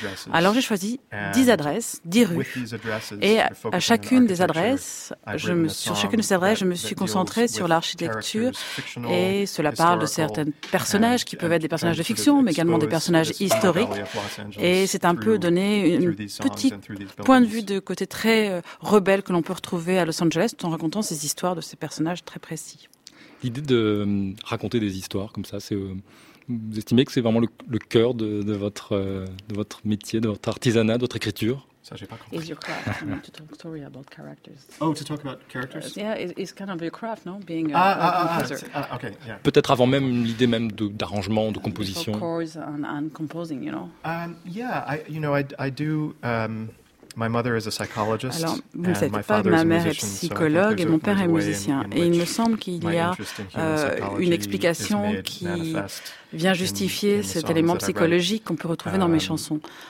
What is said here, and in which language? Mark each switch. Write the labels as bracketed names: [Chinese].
[French] Alors j'ai choisi 10 adresses, 10 rues, et à chacune des adresses, je me suis concentré sur l'architecture, et cela parle de certains personnages qui peuvent être des personnages de fiction, mais également des personnages historiques, et c'est un peu donné un petit point de vue de côté très rebelle que l'on peut retrouver à Los Angeles en racontant ces histoires de ces personnages très précis. L'idée de raconter des histoires comme ça, c'est... Vous estimez que c'est vraiment le cœur de votre métier, de votre artisanat, de votre écriture? Ça, j'ai pas compris. [English] Is your craft to talk story about characters? Oh, to talk about characters? Yeah, it's kind of your craft, no? Being a composer. Okay, yeah. [French] Peut-être avant même l'idée même d'arrangement, de composition. [English] Of course, and composing, you know. Yeah, I do My mother is a psychologist. [French] Alors, vous ne savez pas, ma mère est psychologue et mon père est musicien. Et il me semble qu'il y a une explication qui vient justifier cet élément psychologique qu'on peut retrouver dans mes chansons.